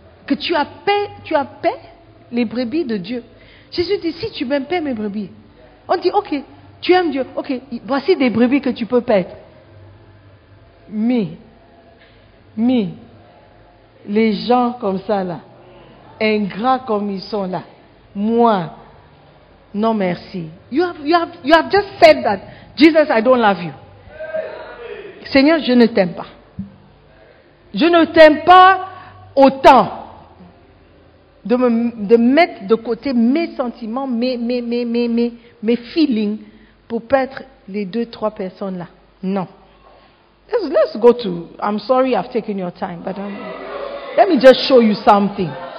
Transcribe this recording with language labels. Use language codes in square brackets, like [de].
[fr] Que tu as paix les brebis de Dieu. Jésus dit, si tu m'aimes, paie mes brebis. On dit, ok, tu aimes Dieu, ok, voici des brebis que tu peux paître. Mais, les gens comme ça là, ingrats comme ils sont là, moi, non merci. [en] You have just said that, Jesus, I don't love you. [fr] Seigneur, je ne t'aime pas. Je ne t'aime pas autant de mettre de côté mes sentiments, mes feelings pour paître les deux, trois personnes là. Non. [en] Let's go to, I'm sorry I've taken your time, but let me just show you something.